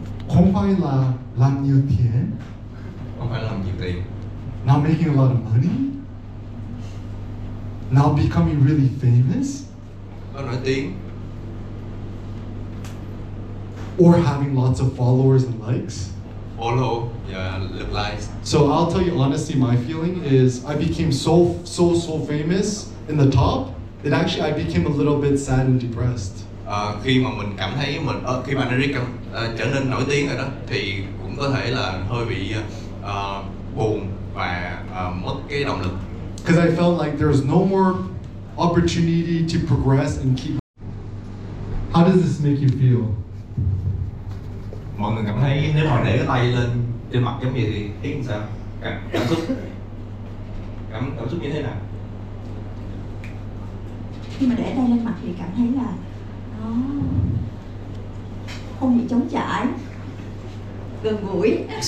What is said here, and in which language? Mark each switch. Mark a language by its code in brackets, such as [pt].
[vi] Không phải là làm nhiều tiền. Không phải làm nhiều tiền. [en] Not making a lot of money. Now becoming really famous? [vi] Nổi tiếng. [en] Or having lots of followers and likes? Follow, yeah, look likes. So I'll tell you honestly, my feeling is I became so famous in the top that actually I became a little bit sad and depressed. [vi] Khi mà mình cảm thấy mình khi mà Eric trở nên nổi tiếng rồi đó thì cũng có thể là hơi bị buồn và mất cái động lực. [en] Because I felt like there was no more opportunity to progress and keep. How does this make you feel? [vi] Mọi người cảm thấy nếu mà để cái tay lên trên mặt giống vậy thì thấy như sao? Cảm xúc như thế nào? Khi mà để tay lên mặt thì cảm thấy là nó không bị chống chải, gần gũi.